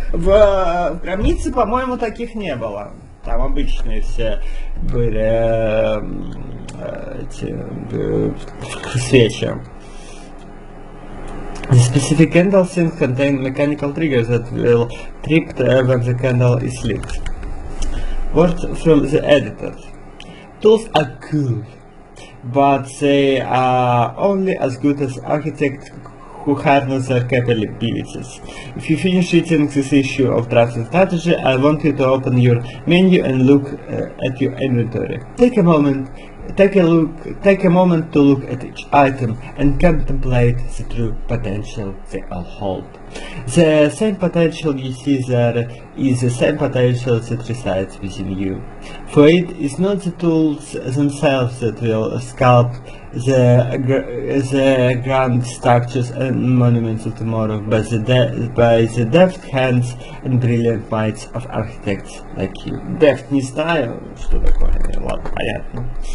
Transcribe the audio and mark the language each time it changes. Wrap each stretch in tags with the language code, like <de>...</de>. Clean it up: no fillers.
<ru>В Кромнице, по-моему, таких не было. Там обычные все были свечи.</ru> <en>The specific candle seems to contain mechanical triggers that will trip when the candle is lit. Words from the editor. Tools are cool, but they are only as good as architects who harness their capabilities. If you finish reading this issue of drafting strategy, I want you to open your menu and look at your inventory. Take a moment take a moment to look at each item and contemplate the true potential they all hold. The same potential you see there is the same potential that resides within you. For it is not the tools themselves that will sculpt the grand structures and monuments of tomorrow, but by the deft hands and brilliant minds of architects like you.</en> <ru>Deft не знаю, что такое, ладно, понятно.</ru>